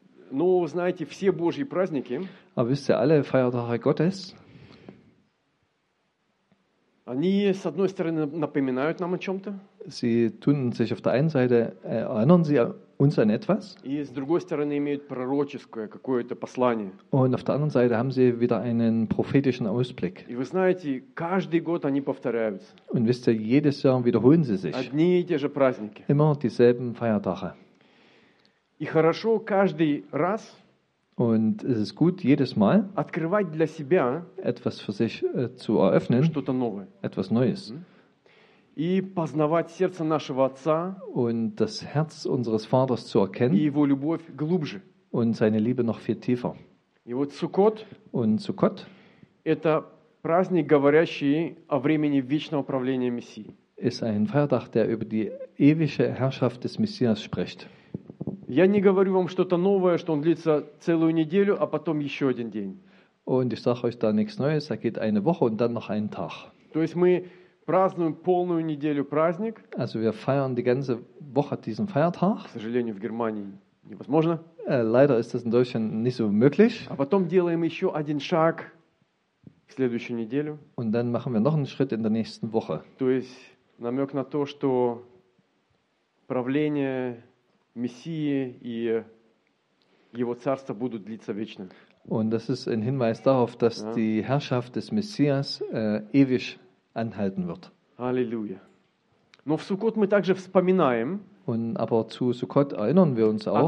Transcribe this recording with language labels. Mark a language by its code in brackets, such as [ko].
[ru] Ну, знаете, все Божьи праздники. [de] Aber wisst ihr, alle Feiertage Gottes? [ru] Они с одной стороны напоминают нам о чем-то. [de] Sie tun sich auf der einen Seite erinnern sie uns an etwas. [ru] И с другой стороны имеют пророческое какое-то послание. [de] Und auf der anderen Seite haben sie wieder einen prophetischen Ausblick. [ru] И вы знаете, каждый год они повторяются. [de] Und wisst ihr, jedes Jahr wiederholen sie sich. [ru] Одни и те же праздники. [de] Immer dieselben Feiertage. [ru] И хорошо каждый раз. [de] Und es ist gut, jedes Mal [ru] открывать для себя [de] etwas für sich zu eröffnen, [ru] что-то новое. [de] Etwas Neues. [ru] И познавать сердце нашего Отца [de] und das Herz unseres Vaters zu erkennen, [ru] и его любовь глубже. [de] Und seine Liebe noch viel tiefer. [ru] И вот Суккот, [de] und Суккот [ru] это праздник, говорящий о времени вечного правления Мессии. [de] Ist ein Feiertag, der über die ewige Herrschaft des Messias spricht. [ru] Я не говорю вам что-то новое, что он длится целую неделю, а потом еще один день. [de] Und ich sage euch da nichts Neues, da geht eine Woche und dann noch einen Tag. [ru] То есть мы празднуем полную неделю праздник. [de] Also wir feiern die ganze Woche diesen Feiertag. [ru] К сожалению, в Германии невозможно. [de] Leider ist das in Deutschland nicht so möglich. [ru] А потом делаем еще один шаг в следующую неделю. [de] Und dann machen wir noch einen Schritt in der nächsten Woche. [ru] То есть намек на то, что правление Мессии и его царство будут длиться вечно. [de] Und das ist ein Hinweis darauf, dass ja. die Herrschaft des Messias ewig anhalten wird. Halleluja. [ru] Но в Суккот мы также вспоминаем. [de] Und aber zu Суккот erinnern wir uns auch.